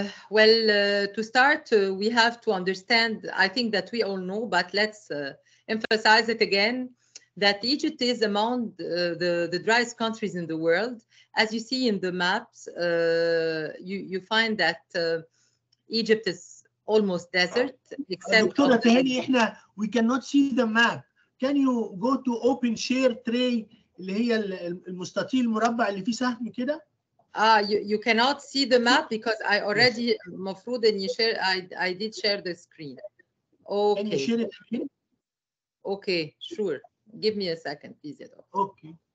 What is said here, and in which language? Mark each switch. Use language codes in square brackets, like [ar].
[en] Well, to start, we have to understand, I think that we all know, but let's emphasize it again, that Egypt is among the driest countries in the world. As you see in the maps, you find that Egypt is almost desert, except Dr. Tahani, we cannot see the map. Can you go to open share tray, [ar] اللي هي المستطيل المربع اللي فيه سهم كده؟ [en] You cannot see the map because I already [ar] مفروض اني [en] share. I did share the screen. Okay. Can you share it again? Okay, sure. Give me a second, please. Okay.